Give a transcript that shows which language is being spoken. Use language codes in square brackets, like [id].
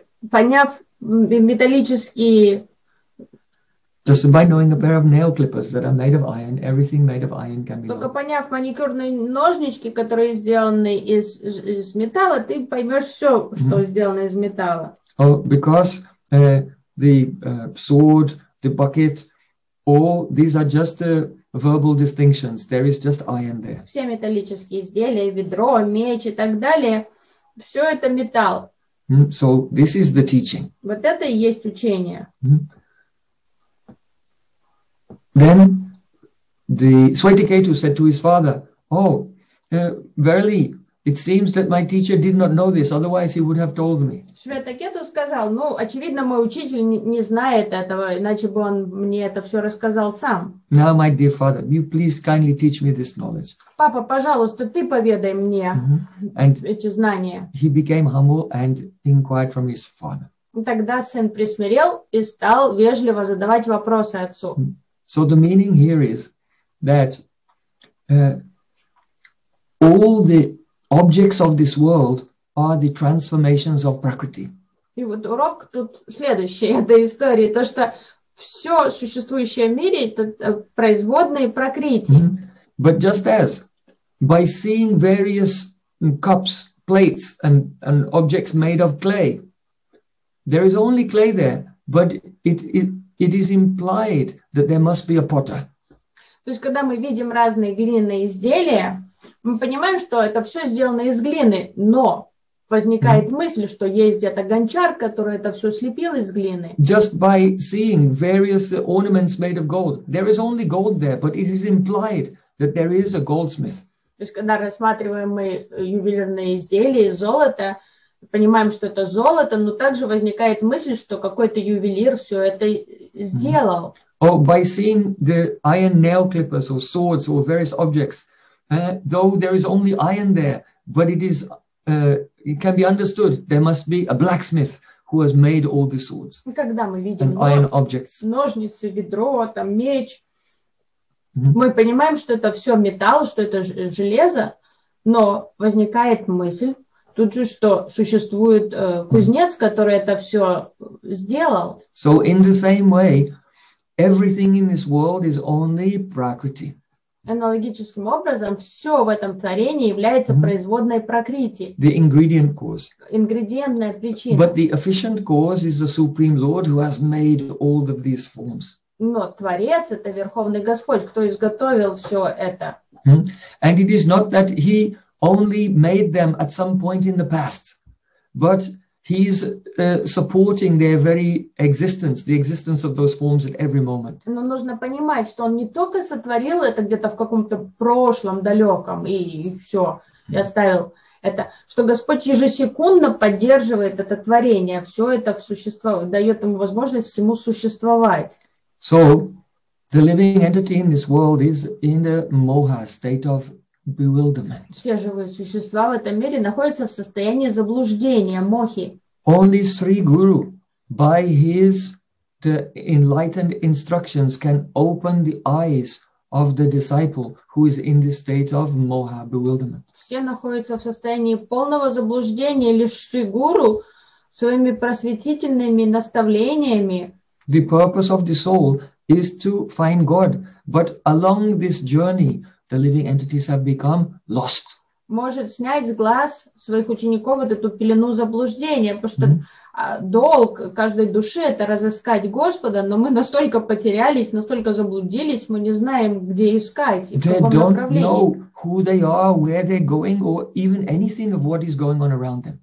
[ru] Поняв металлические. [en] Just by knowing a pair of nail clippers that are made of iron, everything made of iron can be known. [ru] Только поняв маникюрные ножнички, которые сделаны из металла, ты поймешь все, что сделано из металла. [en] Oh, because the sword, the bucket, all these are just verbal distinctions. There is just iron there. [ru] Все металлические изделия, ведро, меч и так далее, все это металл. [en] So this is the teaching. [ru] Вот это и есть учение. [en] Then the Swetaketu said to his father, "Oh, Verily, it seems that my teacher did not know this, otherwise he would have told me. [ru] Шветакету сказал, ну, очевидно, мой учитель не знает этого, иначе бы он мне это все рассказал сам. [en] Now, my dear father, you please kindly teach me this knowledge. [ru] Папа, пожалуйста, ты поведай мне эти знания. [en] He became humble and inquired from his father. [ru] Тогда сын присмирел и стал вежливо задавать вопросы отцу. [en] So the meaning here is that all the objects of this world are the transformations of Prakriti. [ru] И вот урок тут следующий этой истории, то что все существующее в мире это производные Пракрити. [en] But just as by seeing various cups, plates and objects made of clay, there is only clay there, but it is implied that there must be a potter. [ru] То есть когда мы видим разные глиняные изделия, мы понимаем, что это все сделано из глины, но возникает мысль, что есть где-то гончар, который это все слепил из глины. [en] Just by seeing various ornaments made of gold, there is only gold there, but it is implied that there is a goldsmith. [ru] То есть когда рассматриваем мы ювелирные изделия из золота, понимаем, что это золото, но также возникает мысль, что какой-то ювелир все это сделал. [en] Oh, by seeing the iron nail clippers or swords or various objects, though there is only iron there, but it can be understood there must be a blacksmith who has made all the swords [ru] Когда мы видим [en] and iron objects. [ru] Ножницы, ведро, там меч, мы понимаем, что это все металл, что это железо, но возникает мысль. Тут же, что существует кузнец, который это все сделал. [en] So in the same way, everything in this world is only Prakriti. [ru] Аналогическим образом, все в этом творении является производной Пракрити. [en] The ingredient cause. [ru] Ингредиентная причина. [en] But the efficient cause is the Supreme Lord who has made all of these forms. [ru] Но Творец – это Верховный Господь, кто изготовил все это. [en] And it is not that he only made them at some point in the past, but he's supporting their very existence, the existence of those forms at every moment. [ru] Но нужно понимать, что он не только сотворил это где-то в каком-то прошлом далеком и все, и оставил это, что Господь ежесекундно поддерживает это творение, все это в существо, дает ему возможность всему существовать. [en] So, the living entity in this world is in a moha, state of bewilderment. [ru] Все живые существа в этом мире находятся в состоянии заблуждения, мохи. [en] Only Sri Guru, by his enlightened instructions, can open the eyes of the disciple who is in this state of moha, bewilderment. [ru] Все находятся в состоянии полного заблуждения, лишь Sri Guru своими просветительными наставлениями. [en] The purpose of the soul is to find God, but along this journey, the living entities have become lost. [ru] Может снять с глаз своих учеников вот эту пелену заблуждения, потому что долг каждой души это разыскать Господа, но мы настолько потерялись, настолько заблудились, мы не знаем, где искать и в каком направлении. [en] They don't know who they are, where they're going, or even anything of what is going on around them.